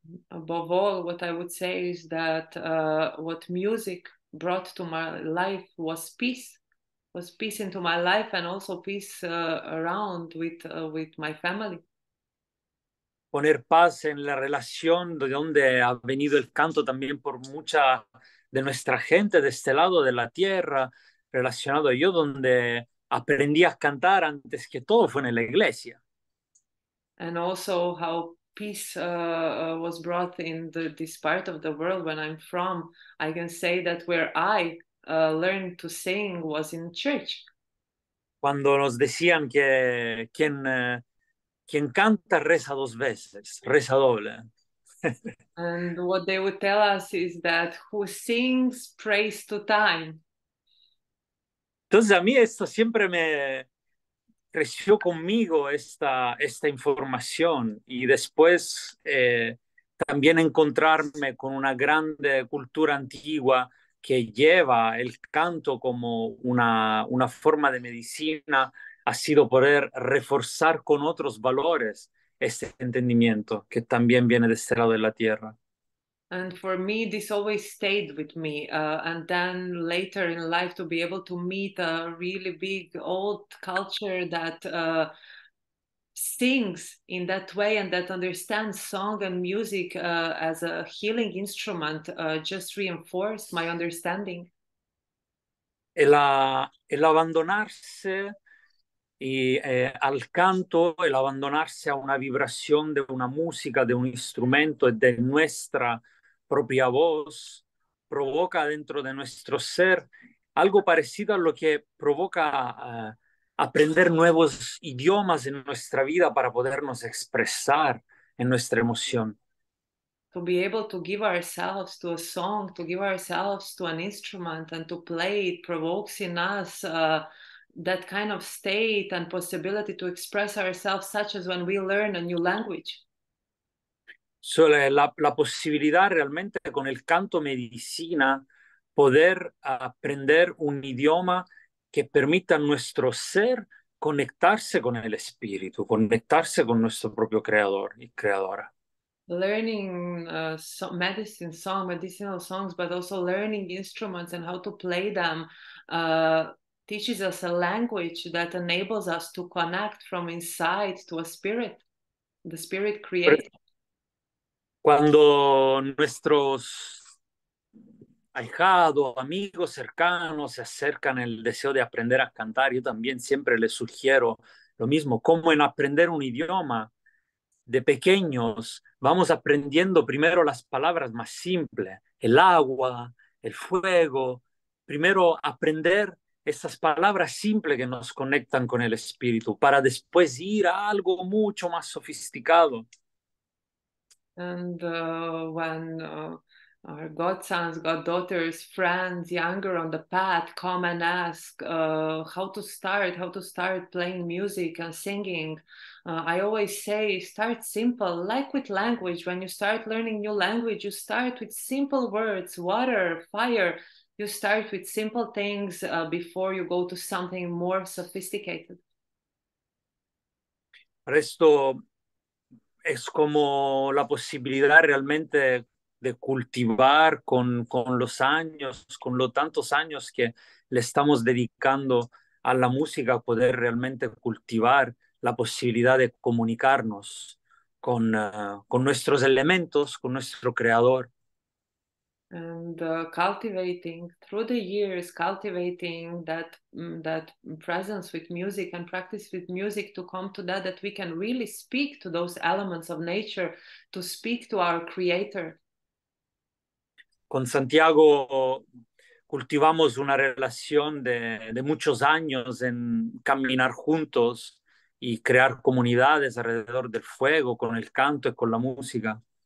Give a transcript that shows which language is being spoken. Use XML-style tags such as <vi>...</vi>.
<en>Above all, what I would say is that what music brought to my life was peace. Was peace into my life and also peace around with my family.</en> <es>Poner paz en la relación de donde ha venido el canto también por mucha de nuestra gente de este lado de la tierra, relacionado yo donde aprendí a cantar antes que todo fue en la iglesia.</es> <en>And also how peace was brought in this part of the world when I'm from, I can say that where I learned to sing was in church.</en> <es>Cuando nos decían que quien canta reza dos veces, reza doble.</es> <en>And what they would tell us is that who sings prays to time.</en> <es>Entonces a mí esto siempre me creció conmigo esta información y después también encontrarme con una grande cultura antigua que lleva el canto como una forma de medicina ha sido poder reforzar con otros valores este entendimiento que también viene de este lado de la tierra.</es> <en>And for me, this always stayed with me. And then later in life, to be able to meet a really big old culture that sings in that way and that understands song and music as a healing instrument just reinforced my understanding.</en> <es>El abandonarse y al canto, el abandonarse a una vibración de una música, de un instrumento, de nuestra propia voz provoca dentro de nuestro ser algo parecido a lo que provoca aprender nuevos idiomas en nuestra vida para podernos expresar en nuestra emoción.</es> <en>To be able to give ourselves to a song, to give ourselves to an instrument and to play it provokes in us that kind of state and possibility to express ourselves such as when we learn a new language.</en> <es>So, la posibilidad realmente con el canto medicina poder aprender un idioma que permita a nuestro ser conectarse con el espíritu, conectarse con nuestro propio creador y creadora.</es> <en>Learning medicine song, medicinal songs, but also learning instruments and how to play them teaches us a language that enables us to connect from inside to a spirit, the spirit creator.</en> <es>Cuando nuestros ahijados, amigos cercanos se acercan en el deseo de aprender a cantar, yo también siempre les sugiero lo mismo, como en aprender un idioma de pequeños, vamos aprendiendo primero las palabras más simples, el agua, el fuego, primero aprender esas palabras simples que nos conectan con el espíritu para después ir a algo mucho más sofisticado.</es> <en>And when our godsons, goddaughters, friends, younger on the path come and ask how to start playing music and singing, I always say, start simple, like with language. When you start learning new language, you start with simple words, water, fire. You start with simple things before you go to something more sophisticated.</en> <it>Presto.</it> <es>Es como la posibilidad realmente de cultivar con los años, con los tantos años que le estamos dedicando a la música, poder realmente cultivar la posibilidad de comunicarnos con nuestros elementos, con nuestro creador.</es> <en>And cultivating through the years, cultivating that presence with music and practice with music to come to that we can really speak to those elements of nature, to speak to our creator.</en> <es>Con Santiago cultivamos una relación de muchos años en caminar juntos y crear comunidades alrededor del fuego, con el canto y con la música.</es>